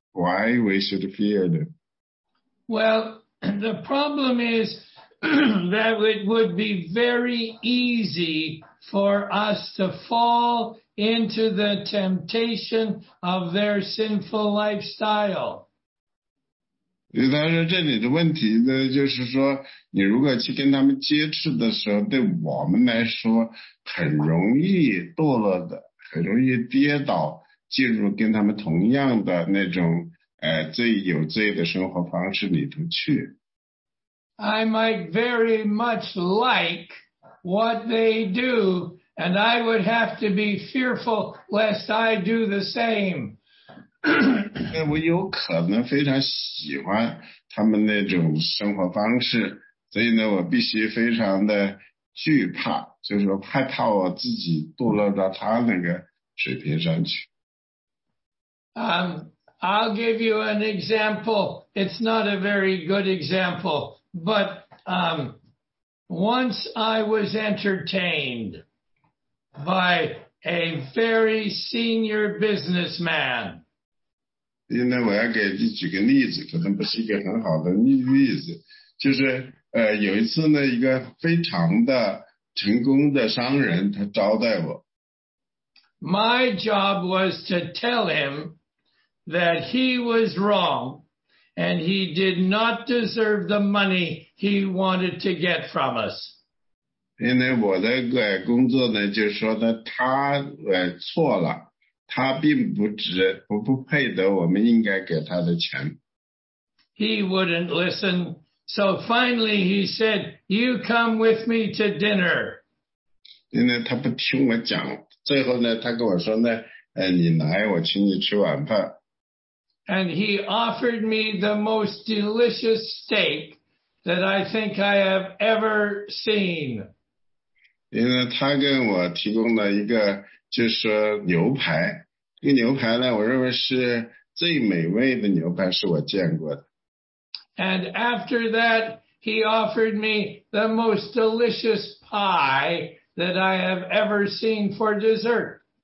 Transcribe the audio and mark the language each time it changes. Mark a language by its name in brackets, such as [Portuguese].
[English] Why we should fear them? Well, the problem is that it would be very easy for us to fall into the temptation of their sinful lifestyle. [Chinese] 他说这里的问题呢，就是说你如果去跟他们接触的时候，对我们来说很容易堕落的，很容易跌倒，进入跟他们同样的那种罪有罪的生活方式里头去。 [English] I might very much like what they do, and I would have to be fearful lest I do the same. [Chinese] 我有可能非常喜欢他们那种生活方式，所以呢，我必须非常的惧怕，就是说害怕我自己堕落到他那个水平上去。 [English] I'll give you an example. It's not a very good example, but once I was entertained by a very senior businessman. [Chinese] 因为我要给你举个例子，可能不是一个很好的例子，就是有一次呢，一个非常的成功的商人他招待我。 [English] My job was to tell him that he was wrong and he did not deserve the money he wanted to get from us. [Chinese] 因为我的工作呢，就是说呢，他错了。他并不值，不配得我们应该给他的钱。 [English] He wouldn't listen. So finally he said, you come with me to dinner. [Chinese] 因为他不听我讲，最后呢，他跟我说呢，你来，我请你吃晚饭。 [English] And he offered me the most delicious steak that I think I have ever seen. [Chinese] 因为他跟我提供了一个就是说牛排，这个牛排呢，我认为是最美味的牛排是我见过的。 [English] And after that, he offered me the most delicious pie that I have ever seen for dessert.